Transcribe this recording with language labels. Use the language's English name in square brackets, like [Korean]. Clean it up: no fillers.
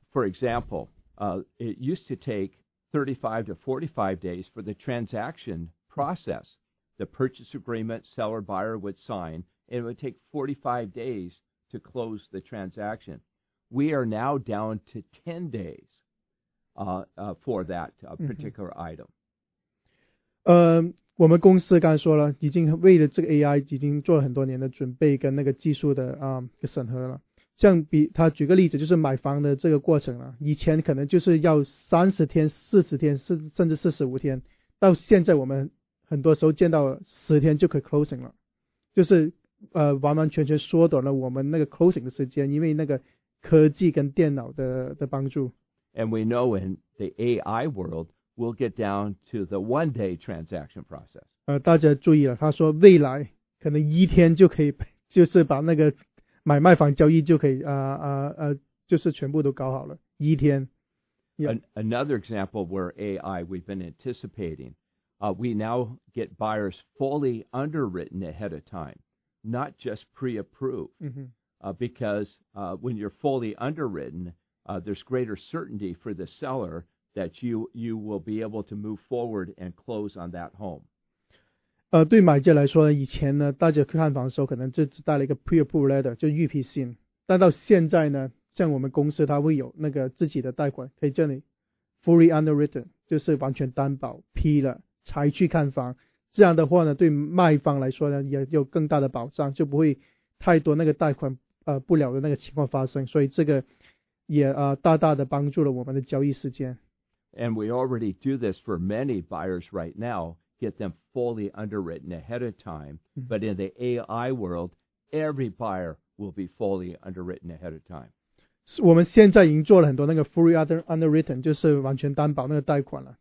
[English] For example, it used to take 35 to 45 days for the transaction process. The purchase agreement seller-buyer would sign, and it would take 45 days to close the transaction. We are now down to 10 days for that particular item. [Chinese] 我们公司刚才说了，已经为了这个 AI 已经做了很多年的准备跟那个技术的审核了。像他举个例子，就是买房的这个过程了，以前可能就是要30天、40天，甚至45天，到现在我们很多时候见到十天就可以 closing 了，就是完完全全缩短了我们那个 closing 的时间，因为那个科技跟电脑的帮助。 [English] And we know in the AI world, we'll get down to the one-day transaction process. [Chinese] 大家注意了，他说未来可能一天就可以，就是把那个买卖房交易就可以就是全部都搞好了，一天。 [English] Yep. Another example where AI we've been anticipating, we now get buyers fully underwritten ahead of time, not just pre-approved. Mm-hmm. Because when you're fully underwritten, there's greater certainty for the seller that you will be able to move forward and close on that home. [Chinese] 对买家来说，以前呢，大家看房的时候可能就只带了一个 pre-approved letter, 就预批信。但到现在呢，像我们公司它会有那个自己的贷款，可以叫你 fully underwritten, 就是完全担保批了才去看房。这样的话呢，对卖方来说呢也有更大的保障，就不会太多那个贷款不了的那个情况发生。所以这个也大大的帮助了我们的交易时间。 [English] And we already do this for many buyers right now, get them fully underwritten ahead of time, but in the AI world, every buyer will be fully underwritten ahead of time. [Chinese] 我们现在已经做了很多那个 fully underwritten, 就是完全担保那个贷款了。